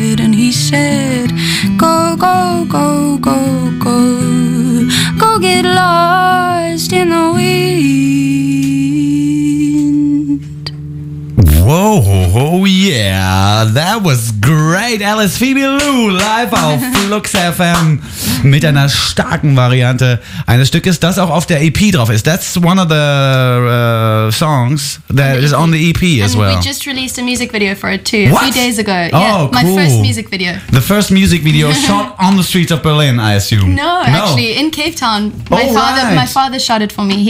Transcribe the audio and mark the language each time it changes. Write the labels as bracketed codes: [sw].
[en] go, go, go, go, go get lost in the wind. Whoa, yeah, that was great. [de] Alice Phoebe Lou live auf Flux FM mit einer starken Variante eines Stückes, das auch auf der EP drauf ist. [en] That's one of the songs that is on the EP as well. And we just released a music video for it too, a few days ago. Yeah, oh, cool. My first music video. The first music video shot on the streets of Berlin, I assume. No, actually, in Cape Town. My father shot it for me.